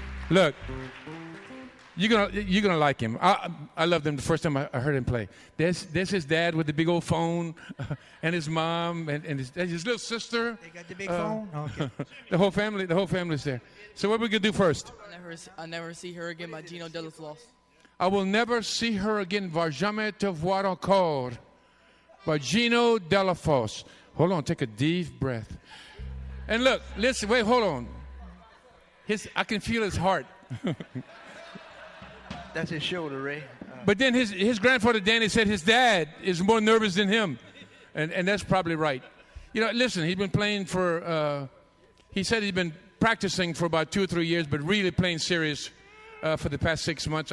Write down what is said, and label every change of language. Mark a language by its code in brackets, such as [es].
[en] Look, you're gonna like him. I loved him the first time I heard him play. There's his dad with the big old phone, and his mom, and his little sister. They got the big phone. Oh, okay. The whole family's there. So what are we gonna do first? I'll never see her again by Gino Deliflos. I will never see her again. [fr] Va jamais te voir encore. [en] By Gino Deliflos. Hold on, take a deep breath. And look, listen, wait, hold on. I can feel his heart. That's his shoulder, Ray. But then his grandfather Danny said his dad is more nervous than him. And that's probably right. You know, listen, he's been playing for, he said he'd been practicing for about 2 or 3 years, but really playing serious for the past 6 months.